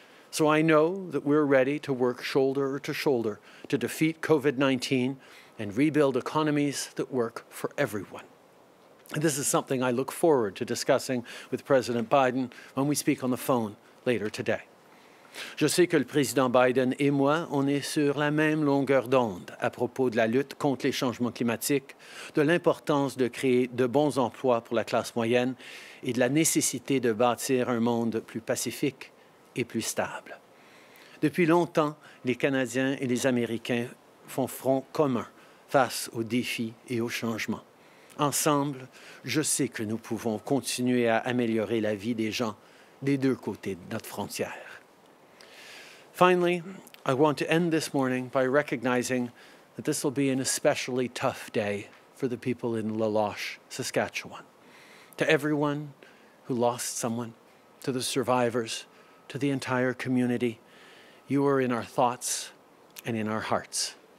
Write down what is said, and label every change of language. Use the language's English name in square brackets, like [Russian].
[English] So I know that we're ready to work shoulder to shoulder to defeat COVID-19 and rebuild economies that work for everyone. This is something I look forward to discussing with President Biden when we speak on the phone later today. [French] Je sais que le président Biden et moi, on est sur la même longueur d'onde à propos de la lutte contre les changements climatiques, de l'importance de créer de bons emplois pour la classe moyenne et de la nécessité de bâtir un monde plus pacifique et plus stable. Depuis longtemps, les Canadiens et les Américains font front commun face aux défis et aux changements. Ensemble, je sais que nous pouvons continuer à améliorer la vie des gens des deux côtés de notre frontière. [English] Finally, I want to end this morning by recognizing that this will be an especially tough day for the people in La Loche, Saskatchewan. To everyone who lost someone, to the survivors, to the entire community, you are in our thoughts and in our hearts.